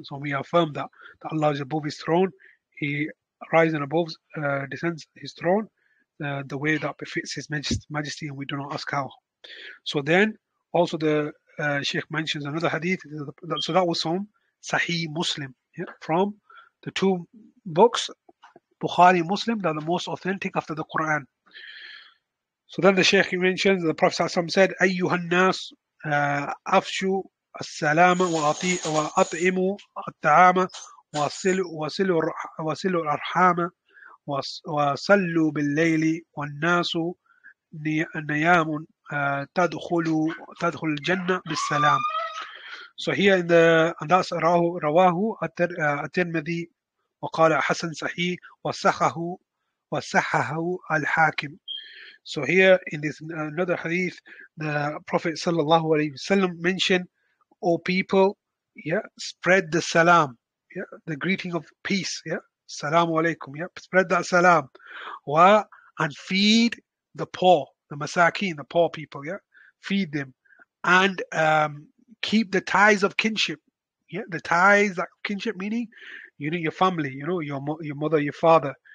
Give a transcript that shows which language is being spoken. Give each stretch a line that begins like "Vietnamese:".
English: So we affirm that Allah is above his throne. He rises and above, descends his throne, the way that befits his majesty, and we do not ask how. So then, also the Sheikh mentions another hadith, so that was from Sahih Muslim, from the two books, Bukhari Muslim, that are the most authentic after the Quran. So then the Sheikh mentions, the Prophet said,
Arabic: أيها الناس أفشوا السلام وأطعموا الطعام وصلوا الأرحام وصلوا بالليل والناس نيام تدخل الجنة بالسلام.
English: So here in the, and that's
Arabic: رواه الترمذي وقال حسن صحيح وصححه الحاكم.
English: So here in this another hadith, the Prophet sallallahu alaihi wasallam mentioned, "O people, yeah, spread the salam, yeah, the greeting of peace, yeah, salamu alaykum, yeah, spread that salam, wa and feed the poor, the masakin, the poor people, yeah, feed them, and keep the ties of kinship, yeah, the ties of kinship meaning, you know, your family, you know, your mother, your father."